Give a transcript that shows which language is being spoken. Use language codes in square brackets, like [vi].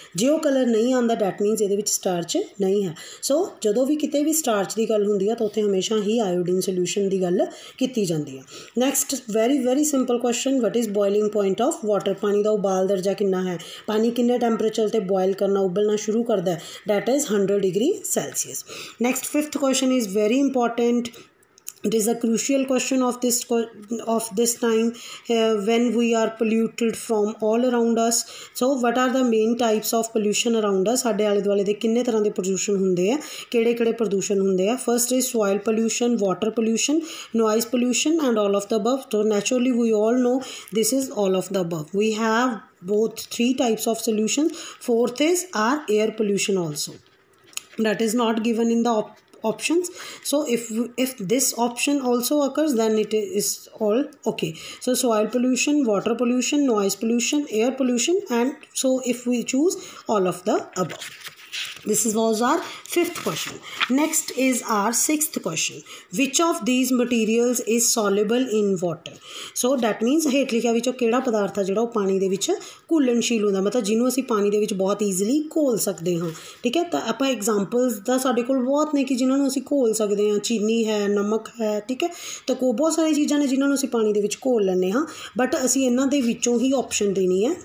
[pa] ਜੇ ਉਹ ਕਲਰ ਨਹੀਂ ਆਉਂਦਾ ਡੈਟ ਮੀਨਸ ਇਹਦੇ ਵਿੱਚ ਸਟਾਰਚ ਨਹੀਂ ਹੈ. ਸੋ ਜਦੋਂ ਵੀ ਕਿਤੇ ਵੀ ਸਟਾਰਚ ਦੀ ਗੱਲ ਹੁੰਦੀ ਆ ਤਾਂ ਉੱਥੇ ਹਮੇਸ਼ਾ ਹੀ ਆਇਓਡੀਨ ਸੋਲਿਊਸ਼ਨ ਦੀ ਗੱਲ ਕੀਤੀ ਜਾਂਦੀ ਆ. [en] Next very very simple question, what is boiling point of water? [pa] ਪਾਣੀ ਦਾ ਉਬਾਲ ਦਰਜਾ ਕਿੰਨਾ ਹੈ? ਪਾਣੀ ਕਿੰਨੇ ਟੈਂਪਰੇਚਰ 'ਤੇ ਬੋਇਲ ਕਰਨਾ, ਉਬਲਣਾ ਸ਼ੁਰੂ ਕਰਦਾ ਹੈ? [en] That is 100 degree Celsius. Next fifth question is very important. It is a crucial question of this time when we are polluted from all around us. So what are the main types of pollution around us? [pa] ਸਾਡੇ ਆਲੇ ਦੁਆਲੇ ਦੇ ਕਿੰਨੇ ਤਰ੍ਹਾਂ ਦੇ ਪ੍ਰਦੂਸ਼ਣ ਹੁੰਦੇ ਆ, ਕਿਹੜੇ ਕਿਹੜੇ ਪ੍ਰਦੂਸ਼ਣ ਹੁੰਦੇ ਆ? [en] First is soil pollution, water pollution, noise pollution and all of the above. So naturally we all know this is all of the above. We have both three types of solution, fourth is or air pollution also. That is not given in the options. So if this option also occurs, then it is all okay. So soil pollution, water pollution, noise pollution, air pollution, and so if we choose all of the above. This was our fifth question. Next is our sixth question. Which of these materials is soluble in water? So that means [pa] ਹੇਠ ਲਿਖਿਆ ਵਿੱਚੋਂ ਕਿਹੜਾ ਪਦਾਰਥ ਆ ਜਿਹੜਾ ਉਹ ਪਾਣੀ ਦੇ ਵਿੱਚ ਘੁਲਣਸ਼ੀਲ ਹੁੰਦਾ, ਮਤਲਬ ਜਿਹਨੂੰ ਅਸੀਂ ਪਾਣੀ ਦੇ ਵਿੱਚ ਬਹੁਤ ਈਜ਼ੀਲੀ ਘੋਲ ਸਕਦੇ ਹਾਂ. ਠੀਕ ਹੈ, ਤਾਂ ਆਪਾਂ ਐਗਜ਼ਾਮਪਲਸ ਦਾ ਸਾਡੇ ਕੋਲ ਬਹੁਤ ਨੇ ਕਿ ਜਿਹਨਾਂ ਨੂੰ ਅਸੀਂ ਘੋਲ ਸਕਦੇ ਹਾਂ. ਚੀਨੀ ਹੈ, ਨਮਕ ਹੈ, ਠੀਕ ਹੈ, ਤਾਂ ਉਹ ਬਹੁਤ ਸਾਰੀਆਂ ਚੀਜ਼ਾਂ ਨੇ ਜਿਹਨਾਂ ਨੂੰ ਅਸੀਂ ਪਾਣੀ ਦੇ ਵਿੱਚ ਘੋਲ ਲੈਂਦੇ ਹਾਂ, ਬਟ ਅਸੀਂ ਇਹਨਾਂ ਦੇ ਵਿੱਚੋਂ ਹੀ ਆਪਸ਼ਨ ਦੇਣੀ ਹੈ.